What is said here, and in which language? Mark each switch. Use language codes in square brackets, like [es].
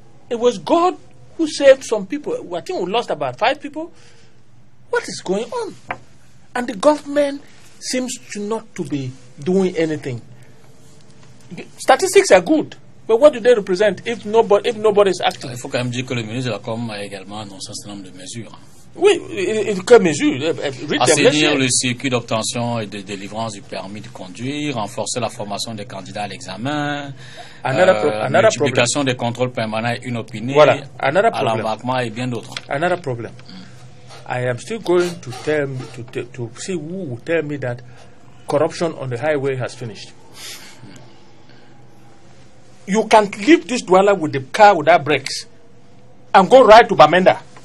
[en] It was God who saved some people. I think we lost about 5 people. What is going on? And the government seems to not to be doing anything. Statistics are good, but what do they represent if nobody is acting? [fr] Il faut quand même dire que le ministre de la Com a également annoncé un certain nombre de mesures. Oui, quelles mesures? Assainir le circuit d'obtention et de délivrance du permis de conduire, renforcer la formation des candidats à l'examen, multiplication des contrôles permanents et inopinés, voilà. À l'embarquement et bien d'autres. [en] Another problem. I am still going to tell me, to see who will tell me that corruption on the highway has finished. You can leave this dweller with the car without brakes and go right to Bamenda.